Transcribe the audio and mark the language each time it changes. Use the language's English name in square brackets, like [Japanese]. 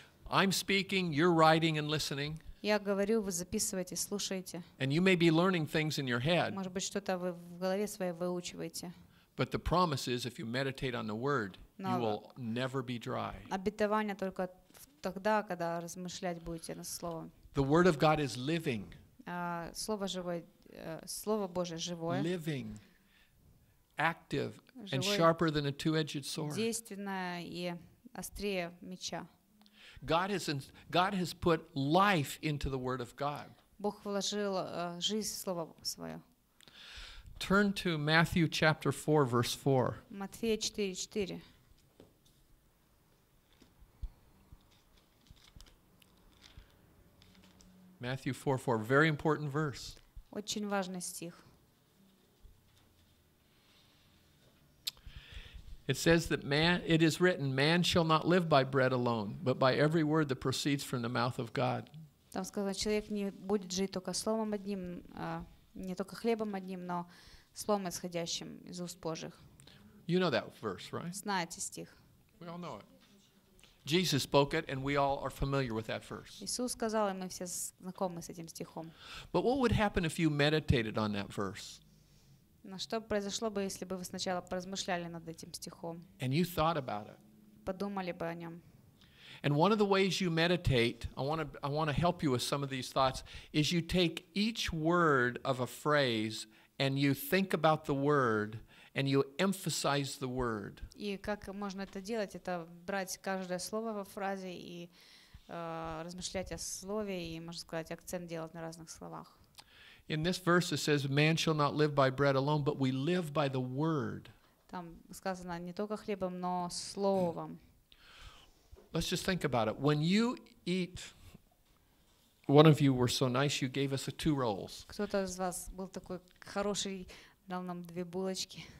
[English] I'm speaking, you're writing and listening. [Russian] Я говорю, вы записываете, слушаете. [English] And you may be learning things in your head. [Russian] Может быть, что-то вы в голове своей выучиваете. [English] But the promise is, if you meditate on the word, you will never be dry. [Russian] Обетование только тогда, когда размышлять будете над словом. [English] The word of God is living. [Russian] Слово живое, Слово Божие живое. [English] Living, active, живое, and sharper than a two-edged sword. [Russian] Действенное и острее меча. [English] God has put life into the Word of God. [Russian] Бог вложил жизнь в Слово Свое. [English] Turn to Matthew chapter 4, verse 4. [Russian] Матфея 4:4. [English] Matthew 4:4, very important verse. [Russian] Очень важный стих. [English] It says that man, it is written, man shall not live by bread alone, but by every word that proceeds from the mouth of God. [Russian] Там сказано, человек не будет жить только словом одним, не только хлебом одним, но словом исходящим из уст Божьих. [English] You know that verse, right? [Russian] Знаете стих. [English] We all know it. Jesus spoke it, and we all are familiar with that verse. [Russian] Иисус сказал, и мы все знакомы с этим стихом. [English] But what would happen if you meditated on that verse? [Russian] На что произошло бы, если бы вы сначала поразмышляли над этим стихом? [English] And you thought about it. [Russian] Подумали бы о нем. [English] And one of the ways you meditate, I want to help you with some of these thoughts, is you take each word of a phrase and you think about the word. And you emphasize the word. [Russian] И как можно это делать? Это брать каждое слово во фразе и размышлять о слове и, можно сказать, акцент делать на разных словах. [English] In this verse it says, "Man shall not live by bread alone, but we live by the word." [Russian] Там сказано не только хлебом, но словом. [English] Let's just think about it. When you eat, one of you were so nice; you gave us the two rolls. [Russian] Кто-то из вас был такой хороший, дал нам две булочки.